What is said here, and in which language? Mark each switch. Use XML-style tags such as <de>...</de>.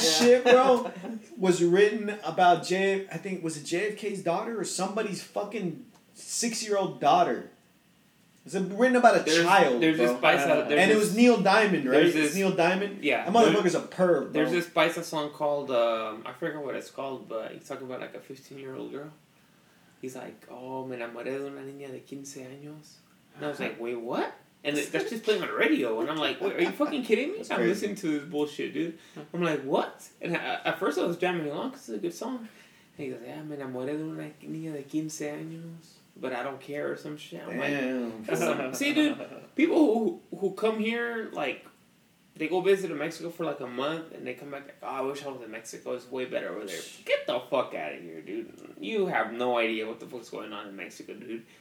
<en>Shit, bro, was written about was it JFK's daughter or somebody's fucking 6-year-old daughter? It's written about a child. There's bro. This Spice song. And it was Neil Diamond, right? It's Neil Diamond? Yeah. That motherfucker's a perv, bro. There's this Spice song called, I forget what it's called, but he's talking about like a 15-year-old girl. He's like, oh,</en> <es>me enamoré de una niña de 15 años.</es> <en>And I was like, wait, what? And that's just playing on the radio. And I'm like, wait, are you fucking kidding me? I'm listening to this bullshit, dude. I'm like, what? And at first I was jamming along because it's a good song. And he goes, yeah,</en> <es>me enamoré de una niña de 15 años.</es> <en>But I don't care or some shit. I'm See, dude, people who come here, like, they go visit Mexico for like a month and they come back, like, oh, I wish I was in Mexico. It's way better over there. Get the fuck out of here, dude. You have no idea what the fuck's going on in Mexico, dude.</en>